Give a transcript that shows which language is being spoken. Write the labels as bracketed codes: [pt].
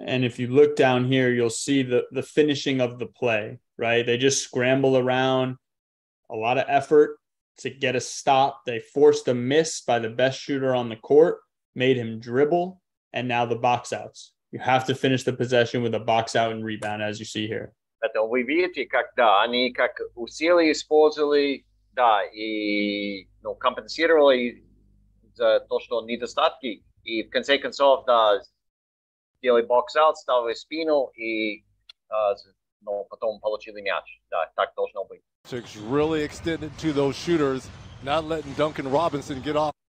[en] And if you look down here, you'll see the finishing of the play, right? They just scramble around, a lot of effort to get a stop. They forced a miss by the best shooter on the court, made him dribble. And now the box outs. You have to finish the possession with a box out and rebound, as you see here. [ru] Это вы видите, как да, они как усилия использовали, да, и ну компенсировали за то, что недостатки. И в конце концов, да, сделали box out, ставили спину и, ну потом получили мяч. Да, так должно быть. [en] It's really extended to those shooters, not letting Duncan Robinson get off.